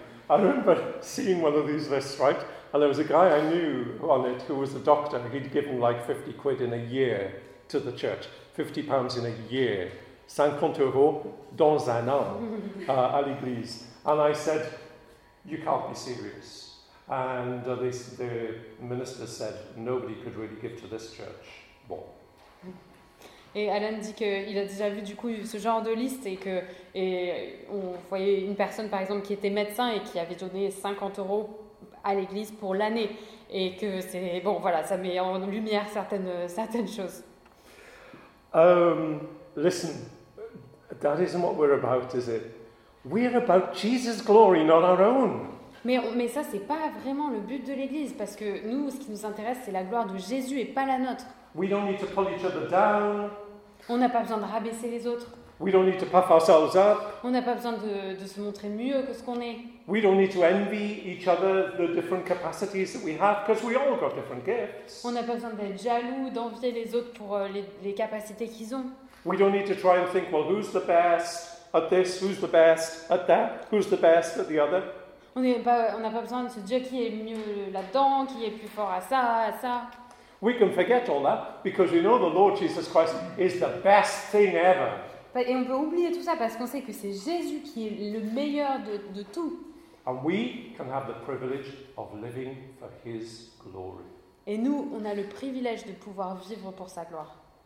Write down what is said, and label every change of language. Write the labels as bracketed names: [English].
[English] I remember seeing one of these lists, right? And there was a guy I knew on it who was a doctor. He'd given like 50 quid in a year to the church. 50 pounds in a year, 50 euros [French] dans un an, à l'église. [English] And I said, you can't be serious. And the minister said, nobody could really give to this church. [French] Bon. Et Alan dit qu'il a déjà vu du coup ce genre de liste et on voyait une personne par exemple qui était médecin et qui avait donné 50 euros à l'église pour l'année. Et que c'est, bon voilà, ça met en lumière certaines choses. [English] Listen, that isn't what we're about, is it? We're about Jesus' glory, not our own. [French] Mais ça, c'est pas vraiment le but de l'Église, parce que nous, ce qui nous intéresse, c'est la gloire de Jésus et pas la nôtre. [English] We don't need to pull each other down. [French] On n'a pas besoin de rabaisser les autres. [English] We don't need to puff ourselves up. [French] On n'a pas besoin de se montrer mieux que ce qu'on est. [English] We don't need to envy each other the different capacities that we have, because we all got different gifts. [French] On n'a pas besoin d'être jaloux, d'envier les autres pour les capacités qu'ils ont. [English] We don't need to try and think, well, who's the best at this, who's the best at that, who's the best at the other. [French] On n'a pas besoin de se dire qui est mieux là-dedans, qui est plus fort à ça. [English] We can forget all that, because we know the Lord Jesus Christ is the best thing ever. [French] Et on peut oublier tout ça parce qu'on sait que c'est Jésus qui est le meilleur de tout. [English] And we can have the privilege of living for his glory. [French] Et nous, on a le privilège de pouvoir vivre pour sa gloire.